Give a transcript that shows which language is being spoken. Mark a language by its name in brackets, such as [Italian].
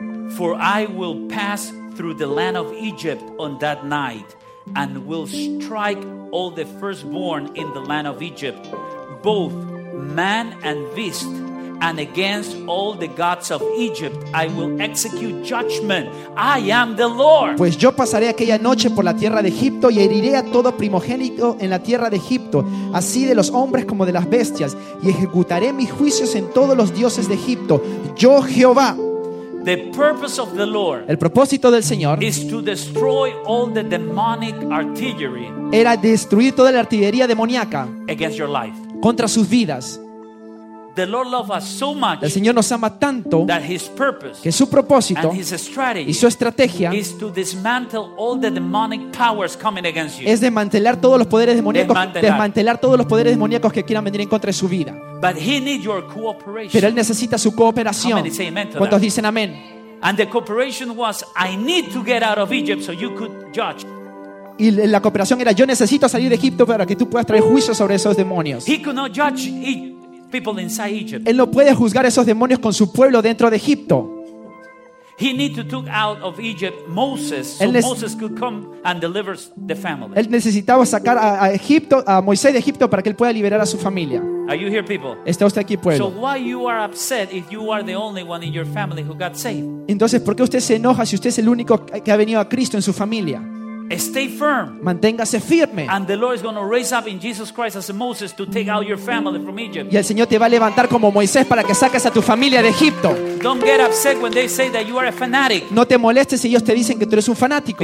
[English] For I will pass through the land of Egypt on that night and will strike all the firstborn in the land of Egypt, both man and beast, and against all the gods of Egypt I will execute judgment. I am the Lord. [Spanish] Pues yo pasaré aquella noche por la tierra de Egipto y heriré a todo primogénito en la tierra de Egipto, así de los hombres como de las bestias, y ejecutaré mis juicios en todos los dioses de Egipto. Yo Jehová. [English] The purpose of the Lord. [Spanish] El propósito del Señor [English] is to destroy all the demonic artillery. [Spanish] Era destruir toda la artillería demoníaca. [English] Against your life. [Spanish] Contra sus vidas. [English] The Lord loves us so much. [Spanish] El Señor nos ama tanto. [English] That his purpose. [Spanish] Que su propósito. [English] And his strategy. [Spanish] Y su estrategia. [English] Is to dismantle all the demonic powers coming against you. [Spanish] Es desmantelar todos los poderes demoníacos. Desmantelar todos los poderes demoníacos que quieran venir en contra de su vida. [English] But he needs your cooperation. [Spanish] Pero él necesita su cooperación. [English] How many say amen to that? [Spanish] ¿Cuántos dicen amén? [English] And the cooperation was, I need to get out of Egypt so you could judge. [Spanish] Y la cooperación era, yo necesito salir de Egipto para que tú puedas traer juicio sobre esos demonios. [English] He could not judge people inside Egypt. [Spanish] Él no puede juzgar esos demonios con su pueblo dentro de Egipto. [English] He need to took out of Egypt Moses, so Moses could come and deliver the family. [Spanish] Él necesitaba sacar a Egipto, a Moisés de Egipto, para que él pueda liberar a su familia. [English] Are you here, people? [Spanish] ¿Está usted aquí, pueblo? [English] So why you are upset if you are the only one in your family who got saved? [Spanish] Entonces, ¿por qué usted se enoja si usted es el único que ha venido a Cristo en su familia? [English] Stay firm. [Spanish] Manténgase firme. [English] And the Lord is going to raise up in Jesus Christ as Moses to take out your family from Egypt. [Spanish] Y el Señor te va a levantar como Moisés para que saques a tu familia de Egipto. [English] Don't get upset when they say that you are a fanatic. [Spanish] No te molestes si ellos te dicen que tú eres un fanático.